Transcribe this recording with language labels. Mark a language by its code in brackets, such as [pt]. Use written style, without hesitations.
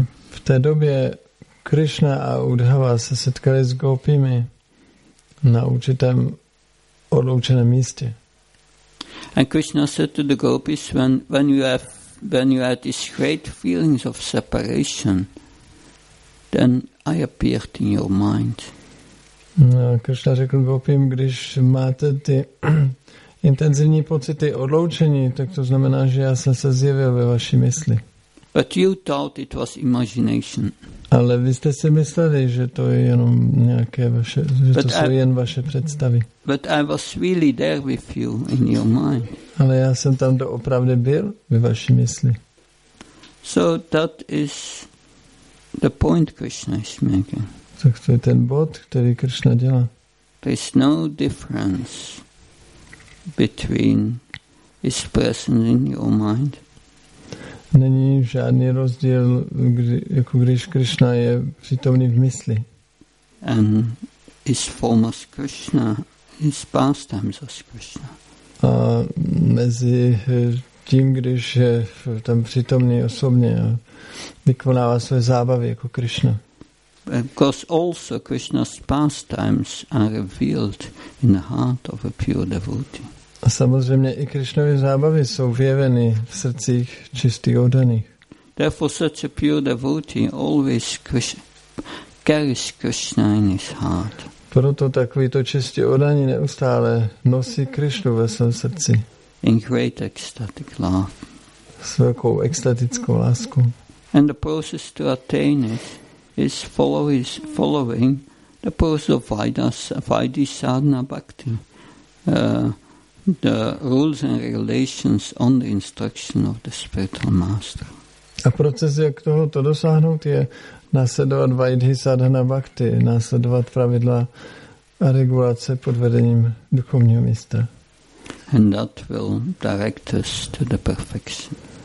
[cs] V té době Krishna a Uddhava se setkali s gopimi na určitém odloučeném místě. [en] And Krishna said to the gopis, when you had these great feelings of separation, then I appeared in your mind. [cs] No, Krishna řekl gopim, když máte ty intenzivní pocity odloučení, tak to znamená, že já jsem se zjevil ve vaší mysli. [en] But you thought it was imagination. [cs] Ale vy jste si mysleli, že to je jenom nějaké vaše, že [en] but [cs] to jsou jen vaše představy. [en] But I was really there with you in your mind. [cs] Ale já jsem tam doopravdy byl ve vaší mysli. [en] So that is the point Krishna is making. [cs] Tak to je ten bod, který Krishna dělá. [en] There is no difference between his presence in your mind. [cs] Není žádný rozdíl, jako když Krishna je přítomný v mysli. [en] And his form as Krishna, his pastimes as Krishna. [cs] A mezi tím, když je tam přítomný osobně a vykonává své zábavy jako Krishna. [en] Because also Krishna's pastimes are revealed in the heart of a pure devotee. [cs] A samozřejmě i Krišnovy zábavy jsou vjeveny v srdcích čistých oddaných. [en] Therefore such a pure devotee always carries Krishna in his heart. [cs] Proto takovýto čistý oddaný neustále nosí Krišnu ve svém srdci. [en] In great ecstatic love. [cs] S velkou extatickou láskou. [en] And the process to attain it is following the process of Vaidhi Sadhana Bhakti. The rules and regulations on the instruction of the spiritual master. [cs] A proces, jak tohoto dosáhnout, je následovat Vaidhi Sadhana Bhakti, následovat pravidla a regulace pod vedením duchovního mistra. [en] And that will direct us to the perfection.